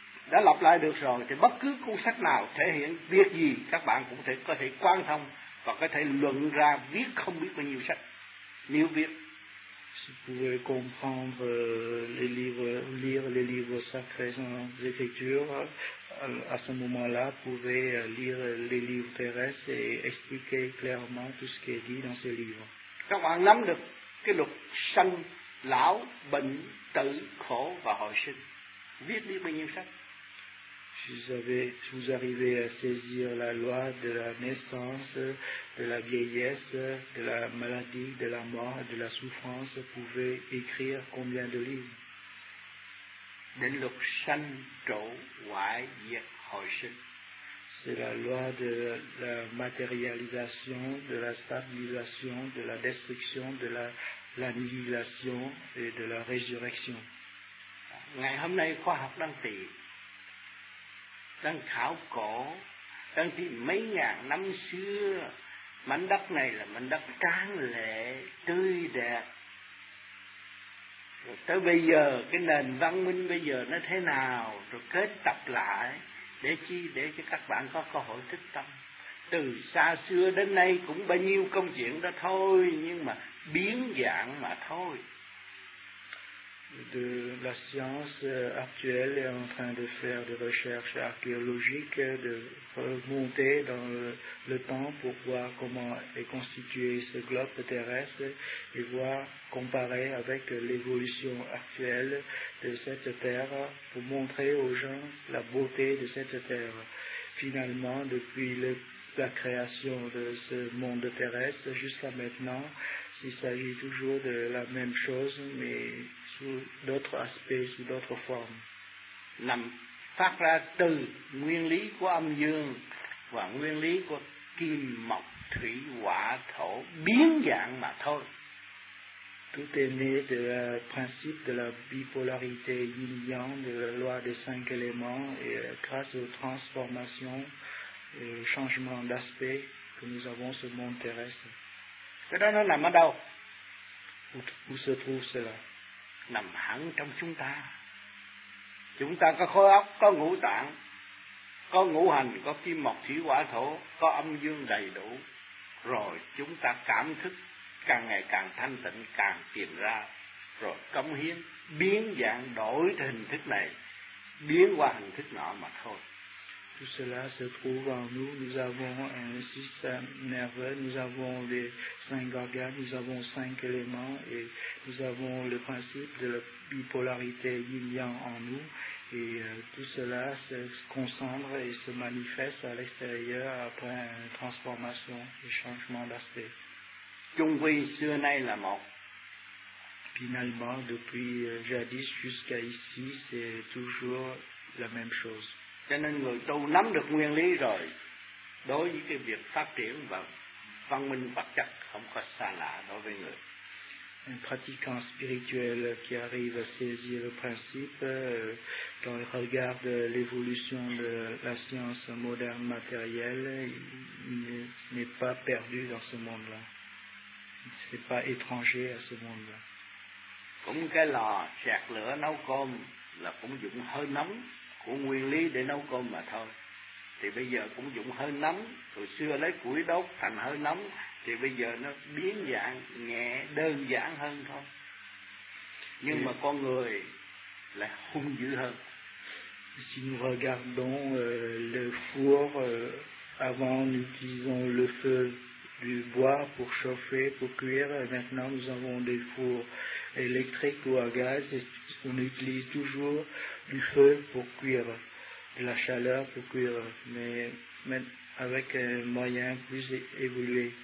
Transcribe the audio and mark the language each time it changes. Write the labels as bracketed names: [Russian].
[Vietnamese] Đã lặp lại được rồi thì bất cứ cuốn sách nào thể hiện việc gì các bạn cũng có thể quan thông và có thể luận ra viết không biết bao nhiêu sách nếu viết. [French] Si vous pouvez comprendre les livres, lire les livres sacrés sans écriture, à ce moment-là, vous pouvez lire les livres terrestres et expliquer clairement tout ce qui est dit dans ces livres. [Vietnamese] Các bạn nắm được cái luật sanh, lão, bệnh, tử, khổ và hồi sinh. Viết biết bao nhiêu sách. [French] Vous arrivez à saisir la loi de la naissance, de la vieillesse, de la maladie, de la mort, de la souffrance, vous pouvez écrire combien de livres? [Vietnamese] Định luật sanh, trụ, hoại, diệt, hồi sinh. [French] C'est la loi de la matérialisation, de la stabilisation, de la destruction, de l'annihilation et de la résurrection. [Vietnamese] Ngày hôm nay, khoa học đang tìm. Đang khảo cổ, đang tìm mấy ngàn năm xưa, mảnh đất này là mảnh đất tráng lệ, tươi đẹp. Rồi tới bây giờ, cái nền văn minh bây giờ nó thế nào, rồi kết tập lại, để chi, để cho các bạn có cơ hội thức tâm. Từ xa xưa đến nay cũng bao nhiêu công chuyện đó thôi, nhưng mà biến dạng mà thôi. [French] De la science actuelle est en train de faire des recherches archéologiques, de remonter dans le temps pour voir comment est constitué ce globe terrestre et voir, comparer avec l'évolution actuelle de cette Terre pour montrer aux gens la beauté de cette Terre. Finalement, depuis la création de ce monde terrestre jusqu'à maintenant, il s'agit toujours de la même chose, mais sous d'autres aspects, sous d'autres formes. [Vietnamese] Nằm phát ra từ nguyên lý của âm dương và nguyên lý của kim mộc thủy hỏa thổ biến dạng mà thôi. [French] Tout est né de la principe de la bipolarité yin yang, de la loi des cinq éléments et grâce aux transformations, au changement d'aspect que nous avons ce monde terrestre. [Vietnamese] Cái đó nó nằm ở đâu? [French] Où se trouve cela? [Vietnamese] Nằm hẳn trong chúng ta. Chúng ta có khối óc, có ngũ tạng, có ngũ hành, có kim mộc thủy hỏa thổ, có âm dương đầy đủ. Rồi chúng ta cảm thức càng ngày càng thanh tịnh, càng tìm ra. Rồi cống hiến, biến dạng đổi hình thức này, biến qua hình thức nọ mà thôi. [French] Tout cela se trouve en nous, nous avons un système nerveux, nous avons les cinq organes, nous avons cinq éléments et nous avons le principe de la bipolarité yin-yang en nous et tout cela se concentre et se manifeste à l'extérieur après une transformation et changement d'aspect. [Vietnamese] chung quy xưa nay là một. [French] Finalement, depuis jadis jusqu'à ici, c'est toujours la même chose. [Vietnamese] Cho nên người tu nắm được nguyên lý rồi, đối với cái việc phát triển và văn minh vật chất không có xa lạ đối với người. [French] Un pratiquant spirituel qui arrive à saisir le principe, quand il regarde l'évolution de la science moderne matérielle, il n'est pas perdu dans ce monde-là. Il n'est pas étranger à ce monde-là. [Vietnamese] Cũng cái lò sạc lửa nấu cơm là cũng dùng hơi nóng của nguyên lý để nấu cơm mà thôi. Thì bây giờ cũng dùng hơi nóng, hồi xưa lấy củi đốt thành hơi nóng, thì bây giờ nó biến dạng nhẹ đơn giản hơn thôi. Nhưng mà con người là hung dữ hơn. [French] Si nous regardons le four, avant nous utilisons le feu du bois pour chauffer, pour cuire, et maintenant nous avons des fours électriques ou à gaz, et on utilise toujours du feu pour cuire, de la chaleur pour cuire, mais avec un moyen plus évolué.